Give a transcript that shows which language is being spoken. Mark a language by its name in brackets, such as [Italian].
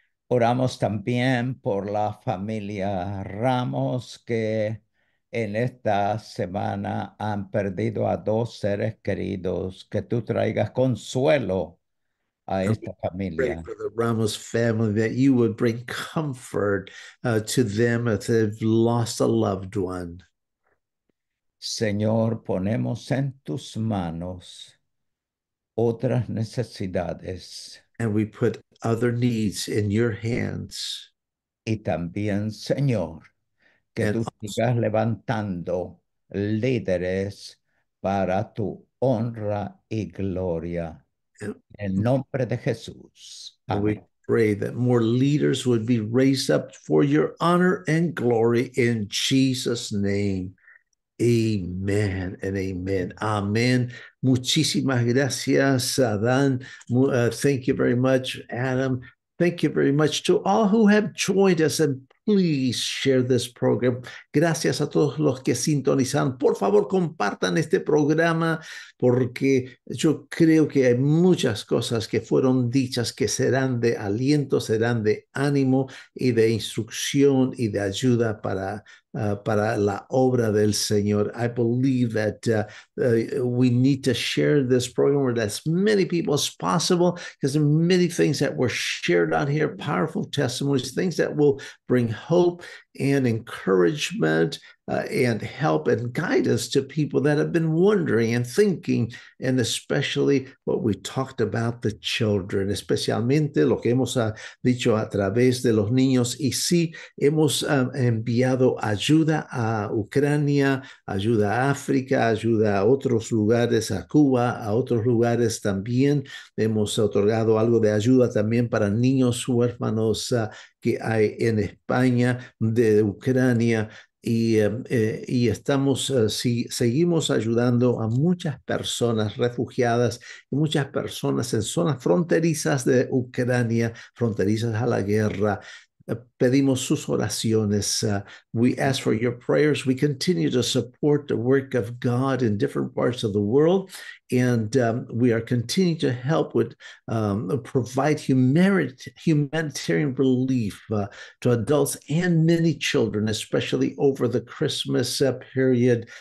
[Spanish] Oramos también por la familia Ramos que en esta semana han perdido a dos seres queridos. Que tú traigas consuelo a esta familia. [English] Pray for the Ramos family, that you would bring comfort to them if they've lost a loved one. [Spanish] Señor, ponemos en tus manos otras necesidades. [English] And we put other needs in your hands. [Spanish] Y también, Señor, que tú sigas levantando líderes para tu honra y gloria. el nombre de Jesús. [English] Amen. We pray that more leaders would be raised up for your honor and glory in Jesus' name. Amen and amen. Amen. [Spanish] Muchísimas gracias, [English] Adán. Thank you very much, Adam. Thank you very much to all who have joined us, and please share this program. [Spanish] Gracias a todos los que sintonizan. Por favor, compartan este programa, porque yo creo que hay muchas cosas que fueron dichas que serán de aliento, serán de ánimo y de instrucción y de ayuda para la obra del Señor. [English] I believe that we need to share this program with as many people as possible, because there are many things that were shared out here, powerful testimonies, things that will bring hope and encouragement and help and guidance to people that have been wondering and thinking, and especially what we talked about, the children, [Spanish] especialmente lo que hemos dicho a través de los niños. Y sí, hemos enviado ayuda a Ucrania, ayuda a África, ayuda a otros lugares, a Cuba, a otros lugares también. Hemos otorgado algo de ayuda también para niños huérfanos que hay en España, de Ucrania. Y estamos, seguimos ayudando a muchas personas refugiadas, muchas personas en zonas fronterizas de Ucrania, fronterizas a la guerra. Pedimos sus oraciones. [English] We ask for your prayers. We continue to support the work of God in different parts of the world. And we are continuing to help with provide humanitarian relief to adults and many children, especially over the Christmas period.